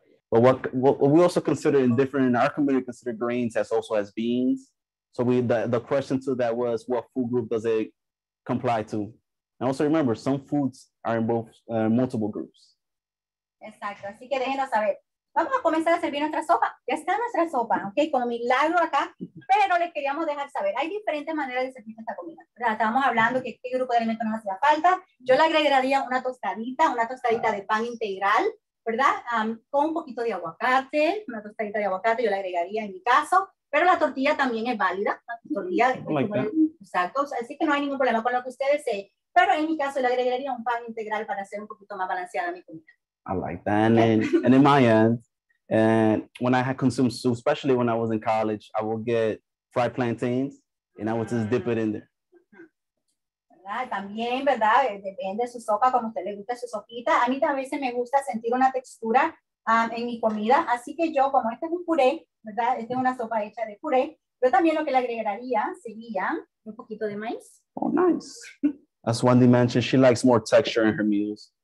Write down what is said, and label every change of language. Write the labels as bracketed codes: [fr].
[en] But what we also consider in different, in our community, consider grains as also as beans. So we the question to that was, what food group does it comply to? And also remember, some foods are in both multiple groups. [es] Exacto, así que déjenos saber. Vamos a comenzar a servir nuestra sopa. Ya está nuestra sopa, ok, con milagro acá. Pero les queríamos dejar saber, hay diferentes maneras de servir esta comida. Estábamos hablando que qué grupo de alimentos nos hacía falta. Yo le agregaría una tostadita de pan integral, ¿verdad? Con un poquito de aguacate, una tostadita de aguacate, yo la agregaría en mi caso. Pero la tortilla también es válida. La tortilla, exacto. Así que no hay ningún problema con lo que ustedes deseen. Pero en mi caso, le agregaría un pan integral para hacer un poquito más balanceada mi comida. [en] I like that. And in my end, and when I had consumed soup, especially when I was in college, I would get fried plantains and I would just dip it in there. [es] También, ¿verdad? Depende su sopa, como usted le gusta su sopita. A mí también se me gusta sentir una textura en mi comida. Así que yo, como este es un puré, ¿verdad? Esta es una sopa hecha de puré. Yo también lo que le agregaría sería un poquito de maíz. [en] Oh, nice. As Wendy mentioned, she likes more texture in her meals.